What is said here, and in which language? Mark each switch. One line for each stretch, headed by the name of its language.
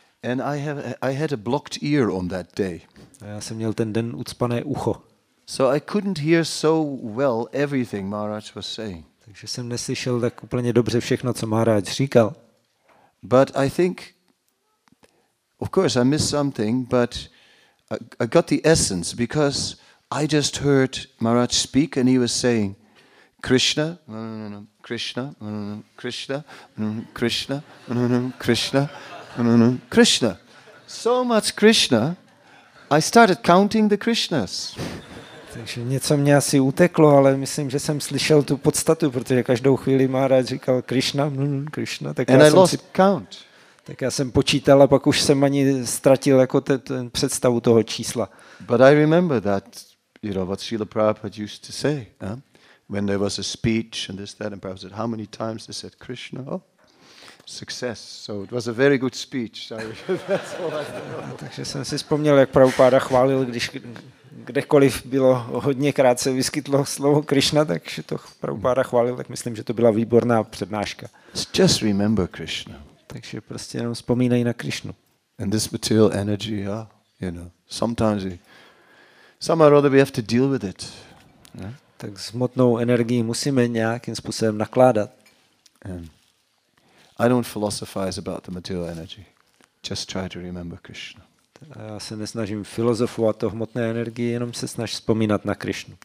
English: And I had a blocked ear on that day.
Czech: A já jsem měl ten den ucpané ucho.
English: So I couldn't hear so well everything Maharaj was saying.
Czech: Takže jsem neslyšel tak úplně dobře všechno, co Maharaj říkal.
English: But I think, of course, I missed something, but I got the essence because I just heard Maharaj speak and he was saying, Krishna, no, no, no, no, Krishna, no, no, no, Krishna, no, no, Krishna, no, no, Krishna, no, no, Krishna. So much Krishna, I started counting the Krishnas.
Czech: Takže něco mě asi uteklo, ale myslím, že jsem slyšel tu podstatu, protože každou chvíli Maharaj říkal Krishna, Krishna, tak já, jsem si, count. Tak já jsem počítal a pak už jsem ani ztratil jako ten představu toho čísla.
English: But I remember that, you know, what Srila Prabhupada used to say, when there was a speech and this, that, and Prabhupada said, how many times they said Krishna, oh, success. So it was a very good speech.
Czech: Takže jsem si vzpomněl, jak Prabhupada chválil, když kdekoliv bylo hodněkrát se vyskytlo slovo Krishna, takže to Prabhupada chválil, tak myslím, že to byla výborná přednáška.
English: Just remember Krishna.
Czech: Takže prostě jenom vzpomínej na Krishnu.
English: And this material energy, yeah, you know, sometimes somehow we have to deal with it. Yeah?
Czech: Tak s hmotnou energií musíme nějakým způsobem nakládat.
English: And I don't philosophize about the material energy. Just try to remember Krishna.
Czech: Já se nesnažím filozofovat o hmotné energii, jenom se snaž vzpomínat na Krišnu.